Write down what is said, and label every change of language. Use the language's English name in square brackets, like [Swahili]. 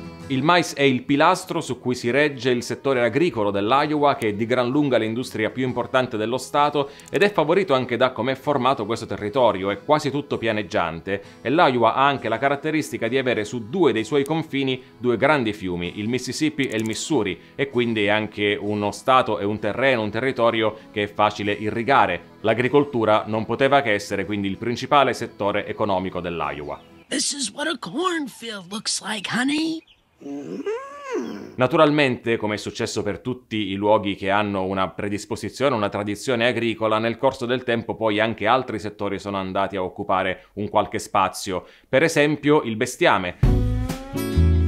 [Italian] Il mais è il pilastro su cui si regge il settore agricolo dell'Iowa, che è di gran lunga l'industria più importante dello stato ed è favorito anche da come è formato questo territorio, è quasi tutto pianeggiante e l'Iowa ha anche la caratteristica di avere su due dei suoi confini due grandi fiumi, il Mississippi e il Missouri, e quindi è anche uno stato e un terreno, un territorio che è facile irrigare. L'agricoltura non poteva che essere quindi il principale settore economico dell'Iowa. [English] This is what a cornfield looks like, honey. [Italian] Naturalmente, come è successo per tutti i luoghi che hanno una predisposizione, una tradizione agricola, nel corso del tempo poi anche altri settori sono andati a occupare un qualche spazio. Per esempio, il bestiame.